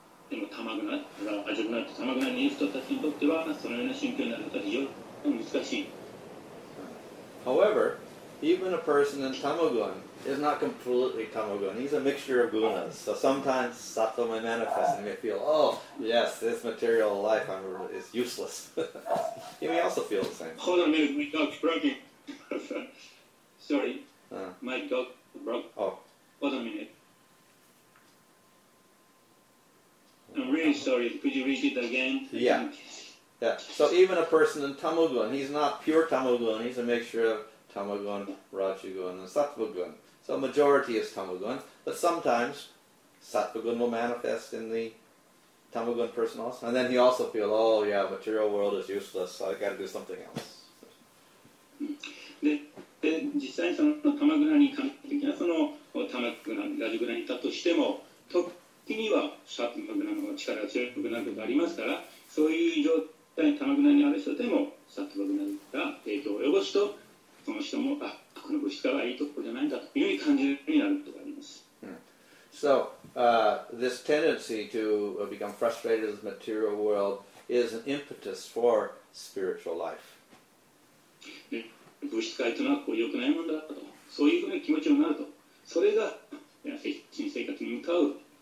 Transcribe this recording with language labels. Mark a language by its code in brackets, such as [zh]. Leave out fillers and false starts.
[ja] でもタマグナ、ラジョグナとタマグナにいる人たちにとってはそのような心境になることは非常に難しい。 [en] However, even a person in tamagun is not completely tamagun. He's a mixture of gunas. So sometimes sattva may manifest and may feel, oh, yes, this material life is useless. He may also feel the same. Hold on a minute, my dog's broken. Sorry, my dog broke. Oh. Hold on a minute. I'm really sorry, could you read it again? Yeah. So even a person in tamagun, he's not pure tamagun, he's a mixture of tamagun, rajagun, and sattvagun. So a majority is tamagun, but sometimes sattvagun will manifest in the tamagun person also. And then he also feels, oh yeah, material world is useless, so I've got to do something else. [ja] 時にはサトバグナの力が強くなることがありますから、そういう状態にタマグナにある人でもサトバグナが影響を及ぼすと、その人もあこの物質からはいいところじゃないんだというふうに感じるようになることがあります。 [en] So, this tendency to become frustrated with the material world is an impetus for spiritual life. [ja] 物質界というのはこう良くないものだと、そういうふうな気持ちになると、それが人生活に向かう。